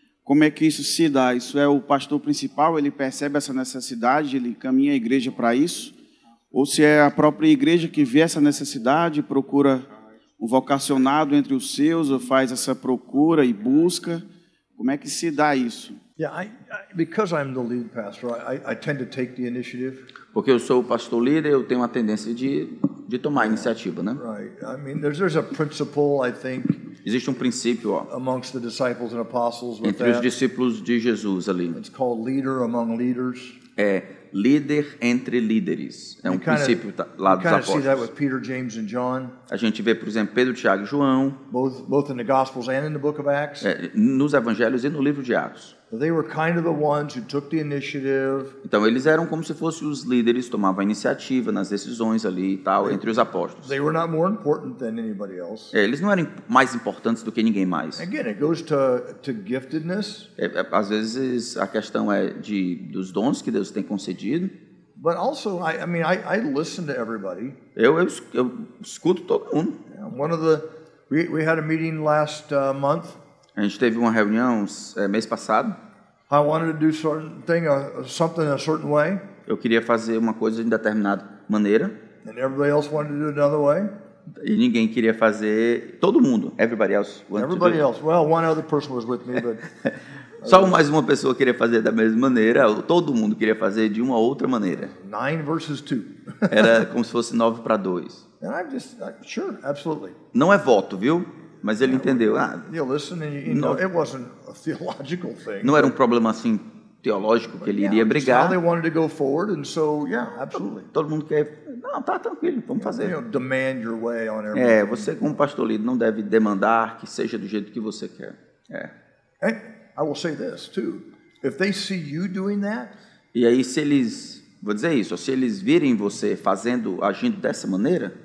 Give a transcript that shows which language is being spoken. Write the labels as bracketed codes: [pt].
[pt] Como é que isso se dá? Isso é o pastor principal, ele percebe essa necessidade, ele caminha a igreja para isso? Ou se é a própria igreja que vê essa necessidade, procura um vocacionado entre os seus, ou faz essa procura e busca? Como é que se dá isso? [en] Yeah, because I'm the lead pastor, I tend to take the initiative. [pt] Porque eu sou o pastor líder, eu tenho a tendência de tomar a iniciativa, né? [en] Right. I mean, there's a principle, I think. [pt] Existe um princípio, ó. [en] Amongst the disciples and apostles [pt] with entre os discípulos de Jesus ali. [en] It's called leader among leaders. [pt] É líder entre líderes. É um princípio lá dos apóstolos. [en] See that with Peter, James and John. [pt] A gente vê, por exemplo, Pedro, Tiago e João. [en] Both in the Gospels and in the book of Acts. [pt] É, nos evangelhos e no livro de Atos. [en] They were kind of the ones who took the initiative. [pt] Então eles eram como se fossem os líderes, tomavam a iniciativa nas decisões ali e tal, they, entre os apóstolos. [en] They were not more important than anybody else. [pt] É, eles não eram mais importantes do que ninguém mais. [en] Again, it goes to giftedness. [pt] É, às vezes a questão é dos dons que Deus tem concedido. [en] But also, I listen to everybody. [pt] Eu escuto todo mundo. [en] Yeah, we had a meeting last month. [pt] A gente teve uma reunião mês passado. [en] I wanted to do certain thing, something a certain way. [pt] Eu queria fazer uma coisa de determinada maneira. [en] And everybody else wanted to do another way. [pt] E ninguém queria fazer. Todo mundo. [en] Everybody else wanted everybody to do else. Well, one other person was with me, but. [pt] Só mais uma pessoa queria fazer da mesma maneira. Todo mundo queria fazer de uma outra maneira. 9-2. Era como se fosse 9-2. [en] And I'm just, sure, absolutely. [pt] Não é voto, viu? Mas ele entendeu. Não era um problema assim teológico que ele iria brigar. [en] They wanted to go forward, and so, yeah, absolutely. [pt] Todo mundo quer. Não, tá tranquilo, vamos fazer. [en] You know, demand your way on everything. [pt] É, você como pastor líder não deve demandar que seja do jeito que você quer. É. [en] And I will say this too. If they see you doing that, [pt] e aí se eles vou dizer isso, se eles virem você fazendo, agindo dessa maneira,